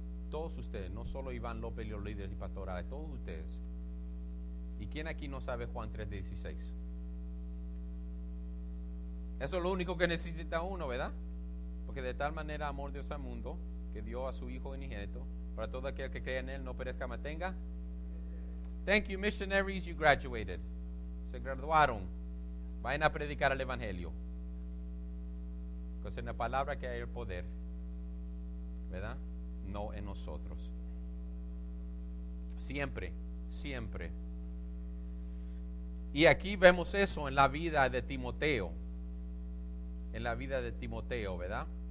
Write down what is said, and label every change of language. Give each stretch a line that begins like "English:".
Spanish: Todos ustedes, no solo Iván López y los líderes y pastorales, todos ustedes. ¿Y quién aquí no sabe Juan 3:16? Eso es lo único que necesita uno, ¿verdad? Porque de tal manera amó Dios al mundo que dio a su Hijo unigénito para todo aquel que cree en él no perezca, mas tenga.
English: Thank you, missionaries, you graduated.
Spanish: Se graduaron. Vayan a predicar el evangelio. Porque es en la palabra que hay el poder, ¿verdad? No en nosotros. Siempre, siempre. Y aquí vemos eso en la vida de Timoteo. En la vida de Timoteo, ¿verdad?